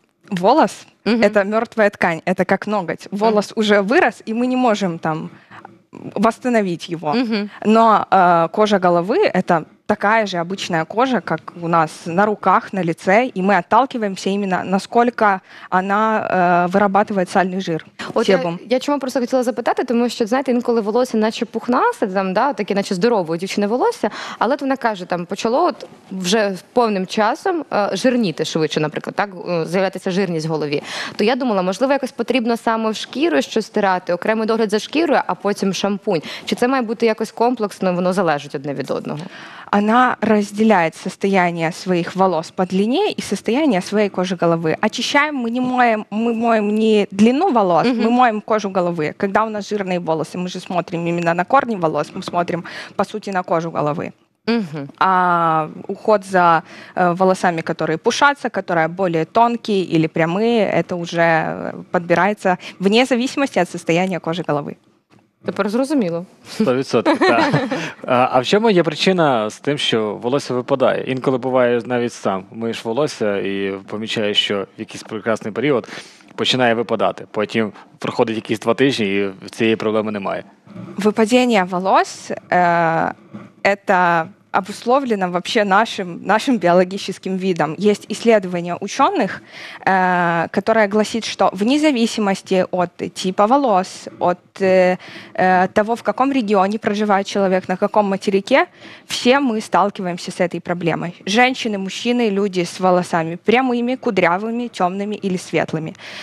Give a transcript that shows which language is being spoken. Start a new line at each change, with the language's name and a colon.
Ukrainian: Волос – це мертва ткань, це як ноготь. Волос уже вирос, і ми не можемо там восстановити його.
Russian: Но кожа голови – це такая же обычная кожа, как у нас на руках, на лице, и мы отталкиваемся именно, насколько она вырабатывает сальный жир.
Ukrainian: От я чому просто хотіла запитати, тому що, знаєте, інколи волосся наче пухнасте, там, да, таке наче здорове дівчини волосся, але то вона каже, там, почало от вже повним часом жирніти швидше, наприклад, так, з'являтися жирність в голові. То я думала, можливо, якось потрібно саме в шкіру щось стирати, окремий догляд за шкірою, а потім шампунь. Чи це має бути якось комплексно, воно залежить одне від одного? Вона розділяє состояние своїх волос по длині і состояние своєї кожи голови. Очищаємо, ми моємо не длину волос,
Russian: мы моем кожу головы. Когда у нас жирные волосы, мы же смотрим именно на корни волос, мы смотрим, по сути, на кожу головы. А уход за волосами, которые пушатся, которые более тонкие или прямые, это уже подбирается вне зависимости от состояния кожи головы.
Ukrainian: Тепер зрозуміло. 100%, так. А в чому є причина з тим, що волосся випадає? Інколи буває навіть сам. Миєш волосся і помічаєш, що в якийсь прекрасний період починає випадати. Потім проходить якісь два тижні і цієї проблеми немає.
Russian: Випадіння волос – це обусловлено вообще нашим биологическим видом. Есть исследования ученых, которые гласят, что вне зависимости от типа волос, от того, в каком регионе проживает человек, на каком материке, все мы сталкиваемся с этой проблемой. Женщины, мужчины, люди с волосами прямыми, кудрявыми, темными или светлыми.